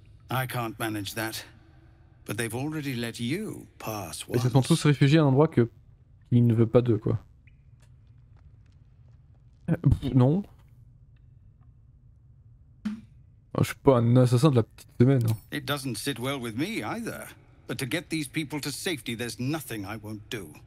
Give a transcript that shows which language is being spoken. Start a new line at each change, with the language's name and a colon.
English: I can't manage that, but they've already let you pass once.
French: Ils se sont tous réfugiés à un endroit que il ne veut pas d'eux, quoi. Non. Oh, je suis pas un assassin de la petite semaine.
English: It doesn't sit well with me either, but to get these people to safety, there's nothing I won't do.